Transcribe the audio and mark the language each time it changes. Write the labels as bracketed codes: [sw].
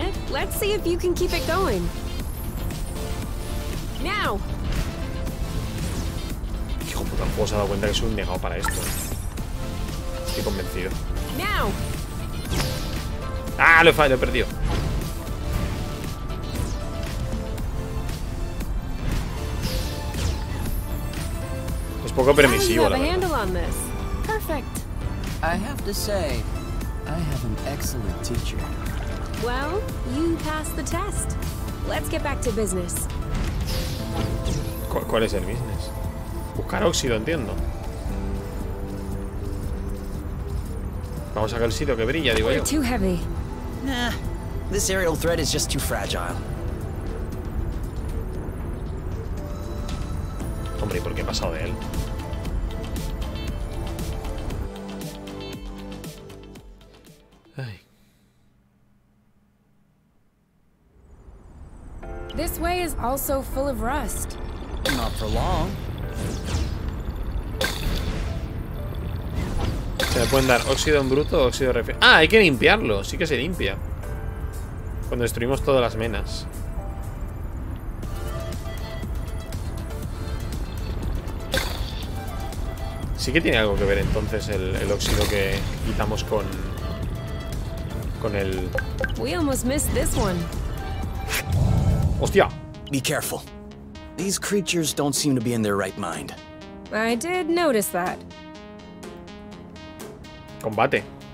[en] Let's see if you can keep it going. Now. [es] Hijo puta, el juego se ha dado cuenta que soy un negado para esto. Estoy convencido. [en] Now. [es] Ah, lo he perdido. Es poco permisivo, la verdad. [en] Perfect. I have to say, I have an excellent teacher. Well, you passed the test. Let's get back to business. [es] ¿Cuál es el business? Buscar óxido, entiendo. Vamos a ver el óxido que brilla, digo yo. [en] You're too heavy. Nah, this aerial thread is just too fragile. [es] Hombre, ¿y por qué he pasado de él? [en] This way is also full of rust. Not for long. [es] Se le pueden dar óxido en bruto o óxido refinado. Ah, hay que limpiarlo. Sí que se limpia. Cuando destruimos todas las menas. Sí que tiene algo que ver entonces el óxido que quitamos con el. [en] We almost missed this one. [es] ¡Hostia! [en] Be careful. These creatures don't seem to be in their right mind. I did notice that. [es] Combate.